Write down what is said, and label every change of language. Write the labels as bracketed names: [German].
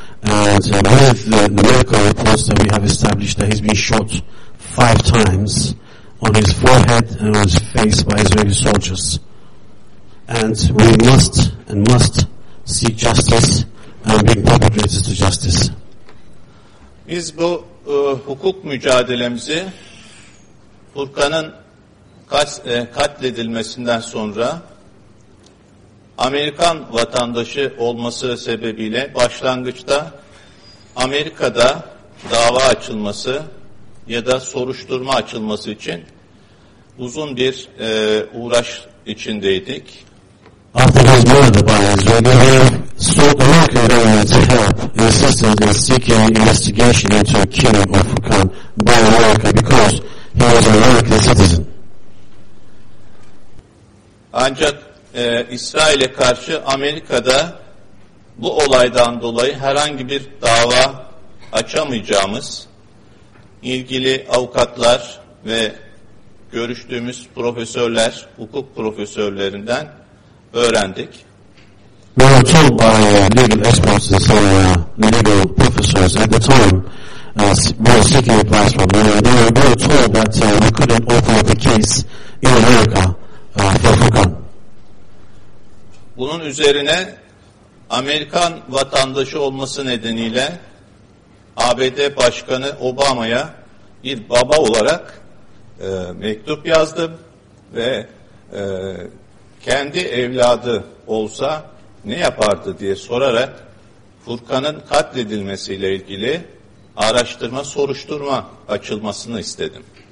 [English] And with the medical reports that we have established that he's been shot 5 times on his forehead and on his face by Israeli soldiers. And we must and must seek justice and be perpetrated to justice. [Turkish] Biz bu hukuk mücadelemizi Furkan'ın katledilmesinden sonra Amerikan vatandaşı olması sebebiyle başlangıçta Amerika'da dava açılması ya da soruşturma açılması için uzun bir uğraş içindeydik. [English] After his murder by Israeli, he sought American government's help, insisted in seeking investigation into the killing of Furkan by America because he was an American citizen. [Turkish] Ancak İsrail'e karşı Amerika'da bu olaydan dolayı herhangi bir dava açamayacağımız, ilgili avukatlar ve görüştüğümüz profesörler, hukuk profesörlerinden öğrendik. [English] We were told by legal experts and some legal professors at the time, we were seeking advice from them, they were told that we couldn't open up a case in America for Furkan. [Turkish] Bunun üzerine Amerikan vatandaşı olması nedeniyle ABD Başkanı Obama'ya bir baba olarak mektup yazdım ve kendi evladı olsa ne yapardı diye sorarak Furkan'ın katledilmesiyle ilgili araştırma, soruşturma açılmasını istedim.